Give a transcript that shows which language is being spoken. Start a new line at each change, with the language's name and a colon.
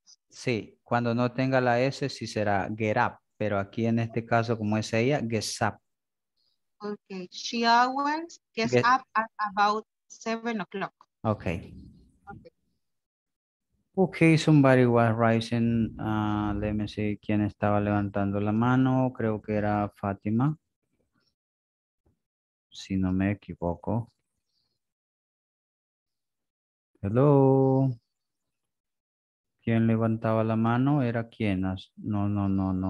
Spanish: Sí, cuando no tenga la S, sí será get up. Pero aquí en este caso, como es ella, guess up.
English: Okay, she always gets up at about 7 o'clock. Okay. Okay, somebody was rising. Let me see
Spanish: quién estaba levantando la mano. Creo que era Fátima. Si no me equivoco. Hello. ¿Quién levantaba la mano? ¿Era quién? No.